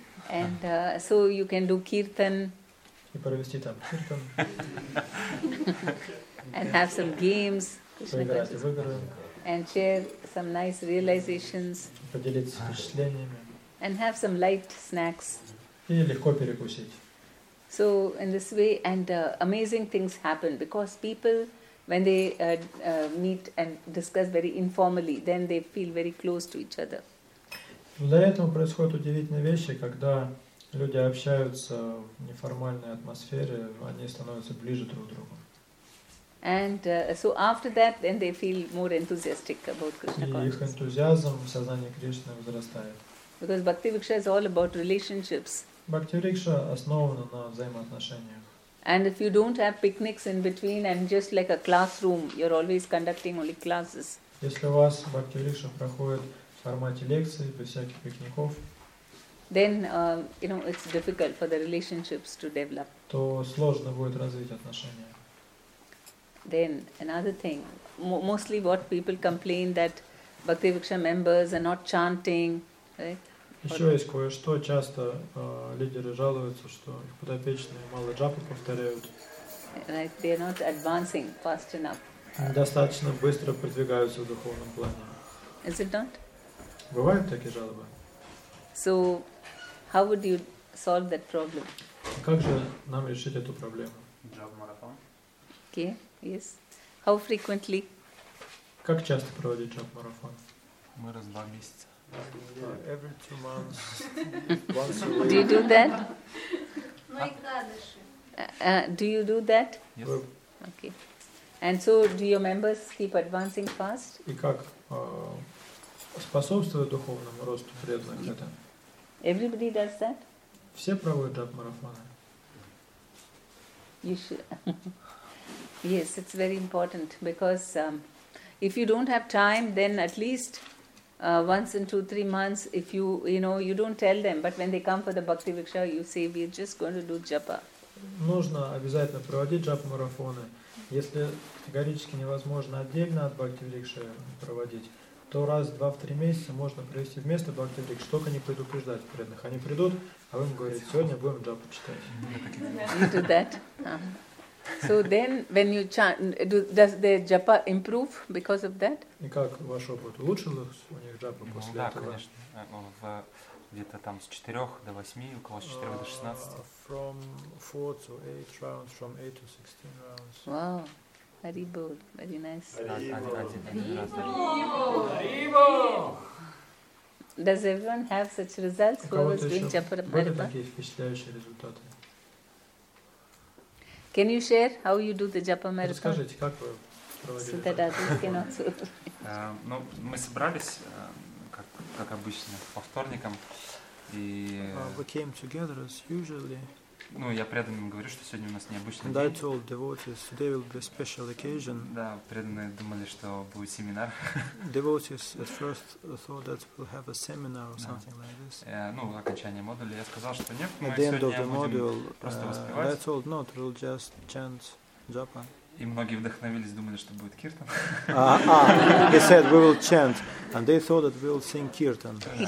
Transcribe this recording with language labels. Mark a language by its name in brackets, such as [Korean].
[English] And so you can do kirtan. [Russian] И провести там киртан. [English] And have some games. [Russian] Поиграть в игры. [English] And share some nice realizations. [Russian] Поделиться впечатлениями. [English] And have some light snacks. [Russian] И легко перекусить. [English] So in this way, and amazing things happen because people, when they meet and discuss very informally, then they feel very close to each other. [Russian] Для этого происходят удивительные вещи, когда люди общаются в неформальной атмосфере, они становятся ближе друг к другу. [English] And so after that, then they feel more enthusiastic about Krishna consciousness. [Russian] И их энтузиазм в сознании Кришны возрастает. [English] Because Bhakti Viksha is all about relationships. [Russian] Bhakti Viksha основана на взаимоотношениях. [English] And if you don't have picnics in between and just like a classroom, you're always conducting only classes. [Russian] Если у вас Bhakti Viksha проходит в формате лекций, без всяких пикников, [English] then it's difficult for the relationships to develop. [Russian] То сложно будет развить отношения. [English] Then another thing, mostly what people complain that Bhakti Viksha members are not chanting, right? [Russian] Еще есть кое-что, часто лидеры жалуются, что их подопечные мало джапы повторяют. [English] Right, they are not advancing fast enough. [Russian] Недостаточно быстро продвигаются в духовном плане. [English] Is it not? [Russian] Бывают такие жалобы. [English] So, how would you solve that problem? [Russian] Как же нам решить эту проблему? Джаб-марафон. [English] Okay, yes. How frequently? [Russian] Как часто проводить джаб-марафон? Мы раз в 2 месяца. [English] Every 2 months, once a week. Do you do that? [Russian] Майкадыши. [English] Do you do that? Yes. Okay. And so, do your members keep advancing fast? [Russian] И как? Способствует духовному росту преданных к этому. [English] Everybody does that? [Russian] Все проводят джап-марафоны. [English] You should. Yes, it's very important because if you don't have time, then at least once in 2-3 months, if you, you don't tell them, but when they come for the Bhakti Viksha, you say, we're just going to do japa. [Russian] Нужно обязательно проводить джап-марафоны. Если категорически невозможно отдельно от Бхакти Викши проводить, то раз в 2-3 месяца можно провести вместо Бхакти Викши, только не предупреждать преданных. Они придут, а вы им говорите, сегодня будем джапу читать. [English] You do that. So then, when you chant, does the japa improve because of that? [Russian] И как ваш опыт улучшился у них джапа после этого? Да, конечно. Где-то там с 4 до 8, у кого с 4 до 16. [English] From 4 to 8 rounds, from 8 to 16 rounds. Wow. Haribo, very nice. Haribo! Does everyone have such results who was doing japa haribo? [Russian] Были такие впечатляющие результаты? [English] Can you share how you do the japa marathon? [Russian] Расскажите, как вы проводите это? Да, да, кино. Ну, мы собрались, как обычно, по вторникам. И [English] we came together as usually. [Russian] Ну, я преданным говорю, что сегодня у нас необычный день. [English] And I told devotees today will be a special occasion. [Russian] Да, преданные думали, что будет семинар. [English] Devotees at first thought that we'll have a seminar or something like this. [Russian] Ну, окончание модуля. Я сказал, что нет, мы сегодня будем просто воспевать. [English] I told not, we'll just chant japa. [Russian] И многие вдохновились, думали, что будет киртан. [English] They said we will chant, and they thought that we'll sing kirtan.